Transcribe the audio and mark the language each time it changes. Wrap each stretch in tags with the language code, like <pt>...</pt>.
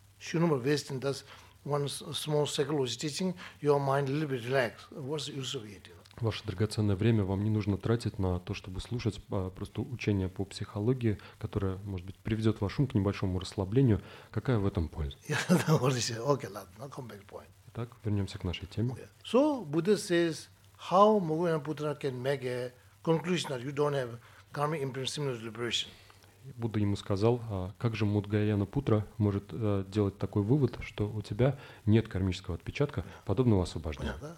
<en>Shunuma wasting that one small psychology teaching, your mind a little bit relaxed. What's the use of it?</en> <ru>Ваше драгоценное время вам не нужно тратить на то, чтобы слушать просто учение по психологии, которое, может быть, приведет ваш ум к небольшому расслаблению. Какая в этом польза?</ru> <en>Okay, ладно, come back point.</en> <ru>Итак, вернемся к нашей теме.</ru> <en>Okay. So Buddha says, how Mahayana Buddha can make a conclusion that you don't have karmic imprint similar to liberation?</en> <ru>Будда ему сказал, как же Мудгаяна Путра может делать такой вывод, что у тебя нет кармического отпечатка подобного освобождения.</ru>